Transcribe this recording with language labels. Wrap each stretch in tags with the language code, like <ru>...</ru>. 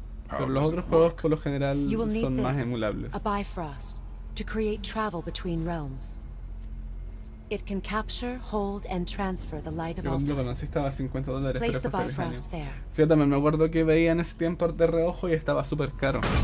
<es>Pero los otros juegos por lo general son más emulables.</es> <en>You will need this, a Bifrost, to create travel between realms. It can capture, hold, and transfer the light of $50. Place the Bifrost there.</en> <es>Sí, yo también me acuerdo que veía en ese tiempo de reojo y estaba súper caro.</es>